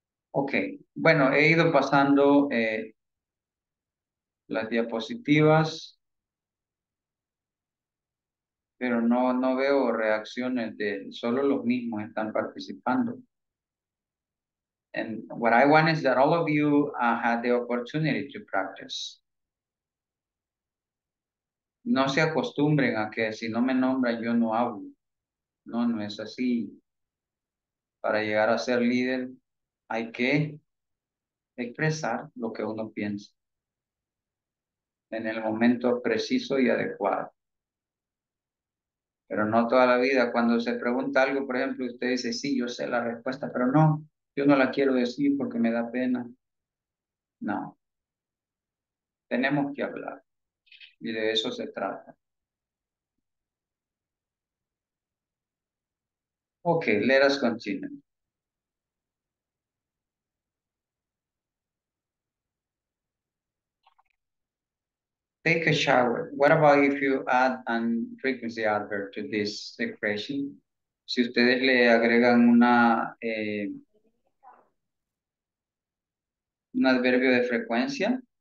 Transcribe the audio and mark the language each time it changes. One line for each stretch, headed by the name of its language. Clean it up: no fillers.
Spanish: Ok, bueno, he ido pasando las diapositivas, pero no veo reacciones de solo los mismos están participando.
English: And what I want is that all of you had the opportunity to practice.
Spanish: No se acostumbren a que si no me nombran yo no hablo. No es así. Para llegar a ser líder hay que expresar lo que uno piensa en el momento preciso y adecuado. Pero no toda la vida, cuando se pregunta algo, por ejemplo, usted dice, sí, yo sé la respuesta, pero no, yo no la quiero decir porque me da pena. No. Tenemos que hablar. Y de eso se trata.
English: Ok, let us continue. Take a shower. What about if you add a frequency adverb to this expression?
Spanish: Si ustedes le agregan un adverbio de frecuencia.